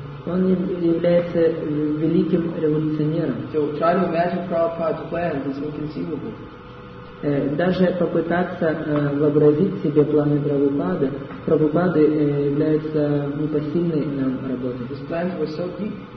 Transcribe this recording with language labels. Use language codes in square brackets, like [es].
[ru] Он является великим революционером. [en] So try to imagine Prabhupada's plans, it's inconceivable. [ru] Даже попытаться вообразить себе планы Прабхупады, Прабхупады являются непосильной нам работой.